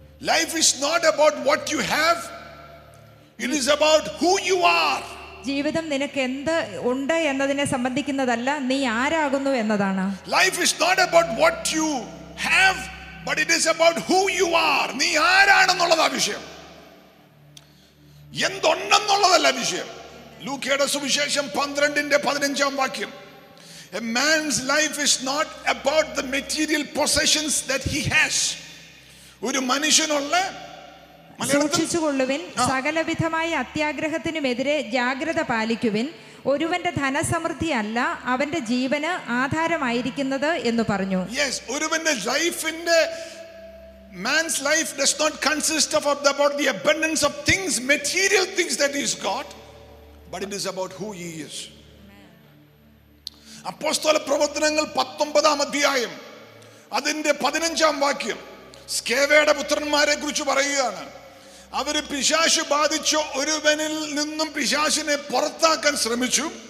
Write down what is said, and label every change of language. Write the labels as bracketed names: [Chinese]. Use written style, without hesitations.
[English] Life is not about what you have, it is about who you are. [Malayalam] ജീവിതം നിനക്ക് എന്ത് ഉണ്ട് എന്നതിനെ സംബന്ധിക്കുന്നതല്ല, നീ ആരാകുന്നു എന്നതാണ്. [English] Life is not about what you have, but it is about who you are. [Malayalam] നീ ആരാണെന്നുള്ള വിഷയം, എന്തുണ്ടെന്നുള്ളതല്ല വിഷയം. ലൂക്കയുടെ സുവിശേഷം [English] 12:15 A man's life is not about the material possessions that he has. [Malayalam] ഒരു മനുഷ്യനുള്ള സൂക്ഷിച്ചുകൊള്ളുവിൻ, സകലവിധമായ അത്യാഗ്രഹത്തിനുമെതിരെ ജാഗ്രത പാലിക്കുവിൻ. ഒരുവന്റെ ധനസമൃദ്ധി അല്ല അവന്റെ ജീവന് ആധാരമായിരിക്കുന്നത് എന്ന് പറഞ്ഞു. [English] Yes, [Malayalam] ഒരുവന്റെ ലൈഫിന്റെ [English] man's life does not consist of about the abundance of things, material things that he's got, but it is about who he is. [Malayalam] അപ്പോസ്തല പ്രവർത്തനങ്ങൾ 19:15 അതിന്റെ 15 സ്കേവയുടെ പുത്രന്മാരെ കുറിച്ച് പറയുകയാണ്. അവര് പിശാശ് ബാധിച്ച ഒരുവനിൽ നിന്നും പിശാശിനെ പുറത്താക്കാൻ ശ്രമിച്ചു.